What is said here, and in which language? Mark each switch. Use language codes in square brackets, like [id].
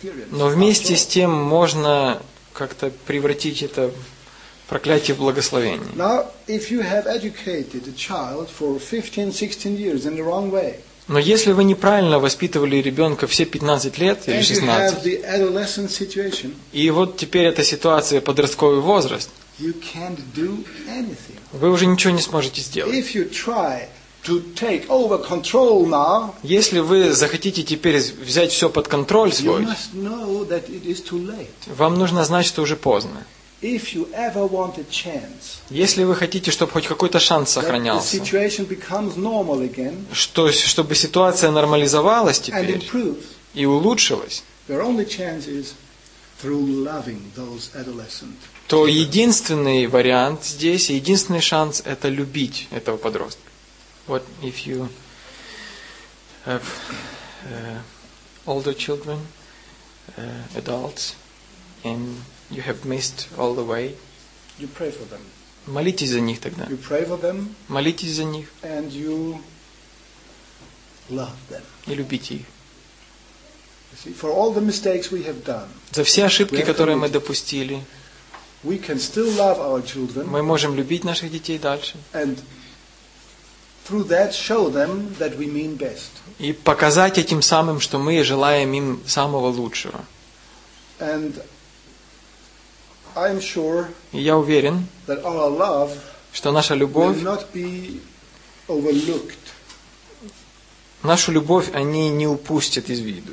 [ru] Но вместе с тем можно как-то превратить это проклятие в благословение. [en] Now, if you have educated a child for 15-16 years in the wrong way. [ru] Но если вы неправильно воспитывали ребенка все 15 лет или 16, [en] and you have the adolescent situation, [ru] и вот теперь эта ситуация подростковый возраст, [en] you can't do anything. [ru] Вы уже ничего не сможете сделать. [en] If you try to take over control now, [ru] если вы захотите теперь взять все под контроль свой, [en] you must know that it is too late. [ru] Вам нужно знать, что уже поздно. [en] If you ever want a chance, [ru] если вы хотите, чтобы хоть какой-то шанс сохранялся, [en] that the situation becomes normal again, [ru] чтобы ситуация нормализовалась теперь [en] and improves, [ru] и улучшилась, [en] your only chance is through loving those adolescent. [ru] То единственный вариант здесь, единственный шанс – это любить этого подростка. [en] What if you have older children, adults, and you have missed all the way? You pray for them. [ru] Молитесь за них тогда. [en] You pray for them. [ru] Молитесь за них. [en] And you love them. [ru] И любите их. [en] You see, for all the mistakes we have done. [ru] За все ошибки, которые мы допустили. [en] We can still love our children. [ru] Мы можем любить наших детей дальше. [en] And through that show them that we mean best. [ru] И показать этим самым, что мы желаем им самого лучшего. [en] And I'm sure. [ru] И я уверен, [en] that our love, [ru] что наша любовь, [en] will not be overlooked. [ru] Нашу любовь они не упустят из виду.